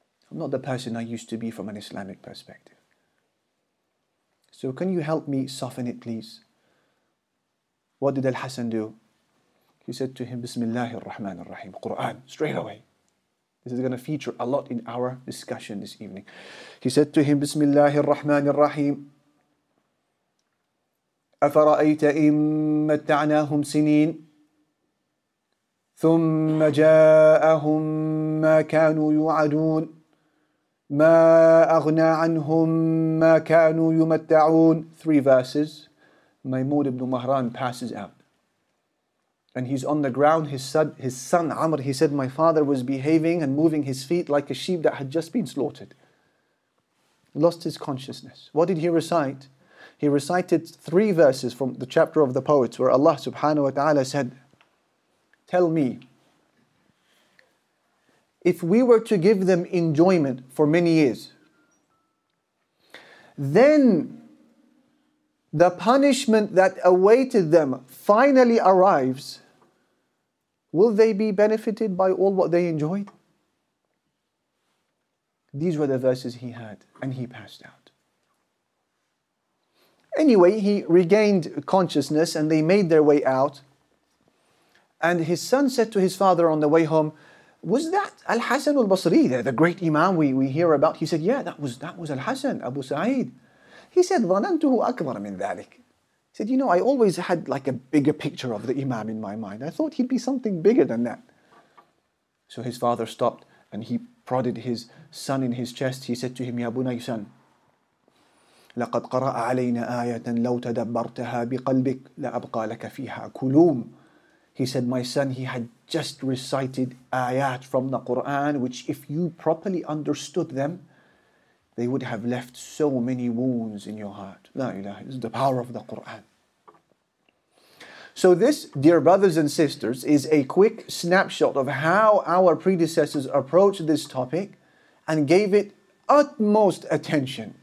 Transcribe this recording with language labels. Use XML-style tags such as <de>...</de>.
<en>I'm not the person I used to be from an Islamic perspective. So can you help me soften it, please? What did Al-Hasan do? He said to him, Bismillah ar-Rahman ar-Rahim, Quran, straight away. This is going to feature a lot in our discussion this evening. He said to him,</en> <ar>Bismillah ar-Rahman ar-Rahim, أَفَرَأَيْتَ إِن مَتَّعْنَاهُمْ سِنِينَ ثُمَّ جَاءَهُمْ مَا كَانُوا يُوعَدُونَ مَا أَغْنَى عَنْهُمْ مَا كَانُوا يُمَتَّعُونَ.</ar> <en>Three verses. Maymun ibn Mahran passes out. And he's on the ground, his son Amr, he said, my father was behaving and moving his feet like a sheep that had just been slaughtered. Lost his consciousness. What did he recite? He recited three verses from the chapter of the poets where Allah subhanahu wa ta'ala said, tell me, if we were to give them enjoyment for many years, then the punishment that awaited them finally arrives, will they be benefited by all what they enjoyed? These were the verses he had, and he passed out. Anyway, he regained consciousness and they made their way out. And his son said to his father on the way home, was that Al-Hasan al-Basri there, the great imam we hear about? He said, yeah, that was Al-Hasan, Abu Sa'id. He said,</en> <ar>ظَنَنْتُهُ أَكْبَرَ مِنْ ذَلِكَ.</ar> <en>He said, you know, I always had like a bigger picture of the imam in my mind. I thought he'd be something bigger than that. So his father stopped and he prodded his son in his chest. He said to him,</en> <ar>يَا بُنَيْ سَنْ لَقَدْ قَرَأَ عَلَيْنَا آيَةً لَوْ تَدَبَّرْتَهَا بِقَلْبِكَ لَأَبْقَى لَكَ فِيهَا كُلُومٌ.</ar> <en>He said, my son, he had just recited ayat from the Qur'an, which if you properly understood them, they would have left so many wounds in your heart. La ilaha, this is the power of the Qur'an. So this, dear brothers and sisters, is a quick snapshot of how our predecessors approached this topic and gave it utmost attention.</en>